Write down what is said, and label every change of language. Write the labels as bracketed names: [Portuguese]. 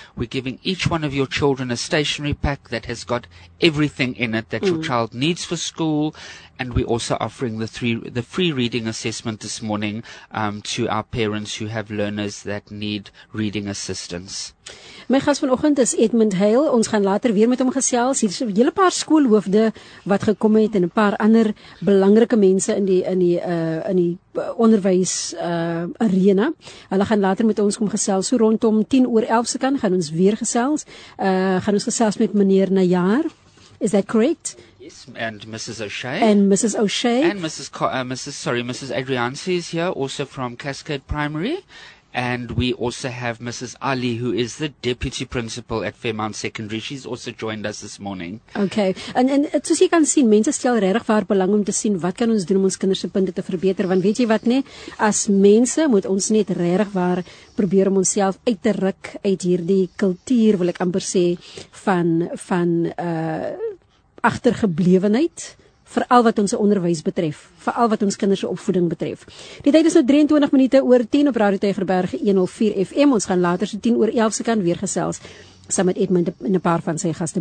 [English] We're giving each one of your children a stationery pack that has got everything in it that your child needs for school. And we're also offering the free reading assessment this morning to our parents who have learners that need reading assistance. [Afrikaans] My gast vanoggend is Edmund Hale. Ons gaan later weer met hom gesels. Hier is 'n hele paar skoolhoofde wat gekom het en 'n paar ander belangrike mense in die onderwys arena. Hulle gaan later met ons kom gesels. So rondom 10:50 se kan gaan ons weer gesels. Gaan ons gesels met meneer Nayar. [English] Is that correct? Yes, and Mrs. O'Shea. And Mrs. O'Shea. And Mrs. Adriansi is here, also from Cascade Primary. And we also have Mrs. Ali, who is the deputy principal at Fairmount Secondary. She's also joined us this morning. Okay. [Afrikaans] And soos jy kan sien, mense stel regtig waar belang om te sien wat kan ons doen om ons kinders se punte te verbeter. Want weet jy wat nie? As mense moet ons net regtig waar probeer om onsself uit te ruk uit hierdie kultuur, wil ek amper sê, van achtergeblevenheid. Veral wat ons onderwys betref, veral wat ons kinders se opvoeding betref. Die tyd is nou 23 minute oor 10 op Radio Tygerberg 104 FM. Ons gaan later so 10:50 se kan weer gesels saam met Edmund en 'n paar van sy gaste.